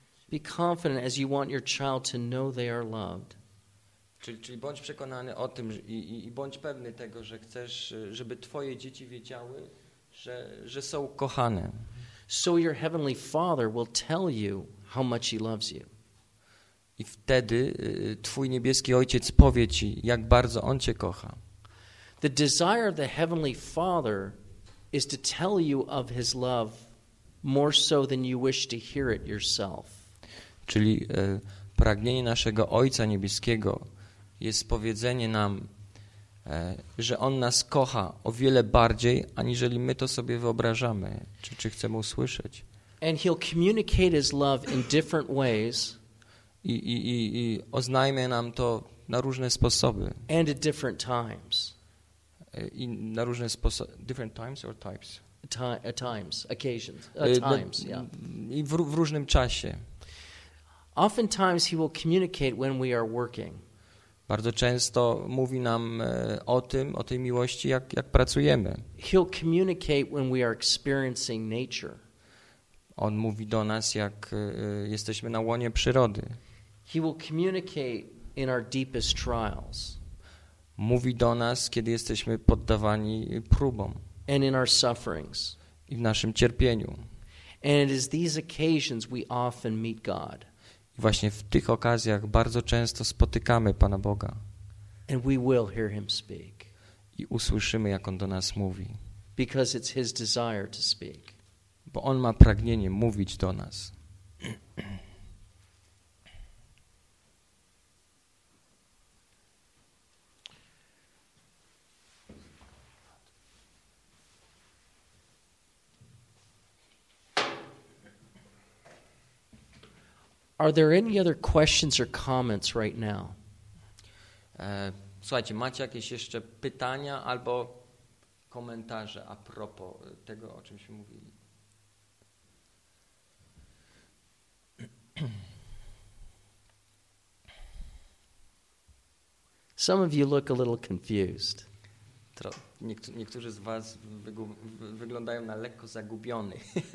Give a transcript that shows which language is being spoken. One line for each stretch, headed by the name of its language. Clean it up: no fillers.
English: be confident as you want your child to know they are loved.
Polish: Czyli bądź przekonany o tym i bądź pewny tego, że chcesz, żeby twoje dzieci wiedziały, że są kochane.
English: So your heavenly Father will tell you how much he loves you.
Polish: I wtedy twój niebieski Ojciec powie ci, jak bardzo on cię kocha.
English: The desire of the heavenly Father is to tell you of his love more so than you wish to hear it yourself.
Polish: Czyli pragnienie naszego Ojca Niebieskiego jest powiedzenie nam, że On nas kocha o wiele bardziej, aniżeli my to sobie wyobrażamy, czy chcemy usłyszeć.
English: And he'll communicate his love in different ways.
Polish: I oznajmie nam to na różne sposoby.
English: And at different times.
Polish: I na różne sposoby.
English: Different times or types? Times, occasions. Times, yeah.
Polish: I w różnym czasie.
English: Oftentimes he will communicate when we are working.
Polish: Bardzo często mówi nam o tej miłości, jak pracujemy.
English: He'll communicate when we are experiencing nature.
Polish: On mówi do nas, jak jesteśmy na łonie przyrody.
English: He will communicate in our deepest trials.
Polish: Mówi do nas, kiedy jesteśmy poddawani próbom.
English: And in our sufferings.
Polish: I w naszym cierpieniu.
English: And it is these occasions we often meet God.
Polish: I właśnie w tych okazjach bardzo często spotykamy Pana Boga.
English: And we will hear him speak.
Polish: I usłyszymy, jak On do nas mówi.
English: Because it's his desire to speak.
Polish: Bo On ma pragnienie mówić do nas.
English: Are there any other questions or comments right now?
Polish: Słuchajcie, macie jakieś jeszcze pytania albo komentarze a propos tego, o czym się mówili?
English: Some of you look a little confused.
Polish: Niektórzy z was wyglądają na lekko zagubionych.